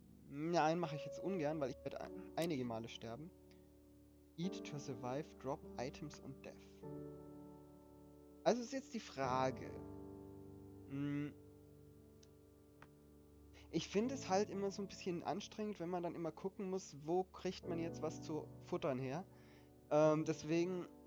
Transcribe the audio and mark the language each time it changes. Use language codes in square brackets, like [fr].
[de] Nein, mache ich jetzt ungern, weil ich werde einige Male sterben. [en] Eat to survive, drop items on death. [de] Also ist jetzt die Frage. Ich finde es halt immer so ein bisschen anstrengend, wenn man dann immer gucken muss, wo kriegt man jetzt was zu futtern her. Deswegen.